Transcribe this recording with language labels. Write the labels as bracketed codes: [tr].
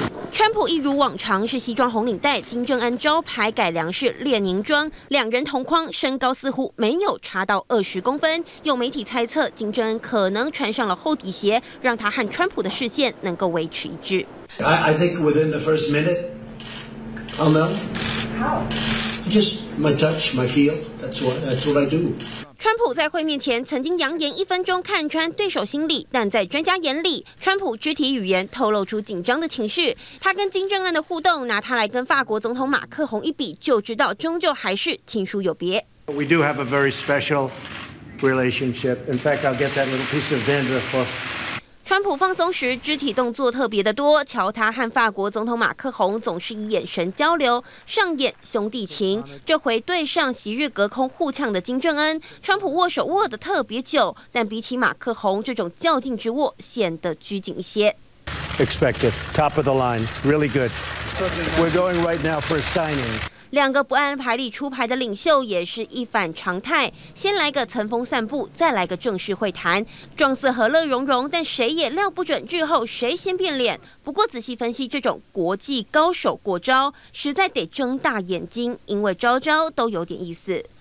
[zh] 川普一如往常是西装红领带，金正恩招牌改良是列宁装，两人同框，身高似乎没有差到20公分。有媒体猜测，金正恩可能穿上了厚底鞋，让他和川普的视线能够维持一致。 [en] I think within the first minute, I'll know. How? Just my touch, my feel. That's what I do. [zh] 川普在会面前曾经扬言一分钟看穿对手心理，但在专家眼里，川普肢体语言透露出紧张的情绪。他跟金正恩的互动，拿他来跟法国总统马克宏一比，就知道终究还是亲疏有别。 [en] We do have a very special relationship. In fact, I'll get that little piece of dandruff off. [zh] 川普放松时肢体动作特别的多，瞧他和法国总统马克宏总是以眼神交流，上演兄弟情。这回对上昔日隔空互呛的金正恩，川普握手握得特别久，但比起马克宏这种较劲之握显得拘谨一些。 [en] Expected, top of the line, really good. We're going right now for a signing. [zh] 两个不按牌理出牌的领袖也是一反常态，先来个层峰散步，再来个正式会谈，状似和乐融融，但谁也料不准日后谁先变脸。不过仔细分析，这种国际高手过招实在得睁大眼睛，因为招招都有点意思。